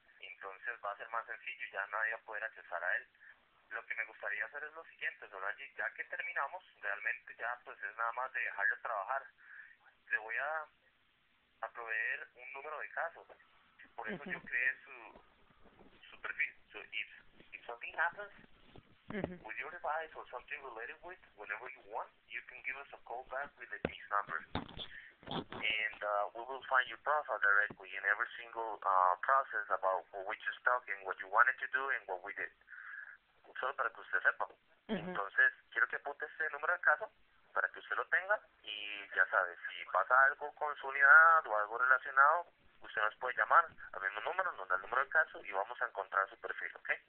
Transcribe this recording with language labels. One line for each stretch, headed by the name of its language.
Spanish: Entonces va a ser más sencillo, ya nadie va a poder accesar a él. Lo que me gustaría hacer es lo siguiente, Solange, ya que terminamos, realmente ya pues es nada más de dejarlo trabajar. Le voy a proveer un número de casos. Por eso yo creé su perfil.
English: So if something happens with your device or something related with, whenever you want, you can give us a call back with this number. And we will find your profile directly in every single process about what we just talked and what you wanted to do and what we did.
Spanish: Solo para que usted sepa. Entonces, quiero que apunte ese número de caso para que usted lo tenga y ya sabe, si pasa algo con su unidad o algo relacionado, usted nos puede llamar al mismo número, nos da el número de caso y vamos a encontrar su perfil, ¿ok?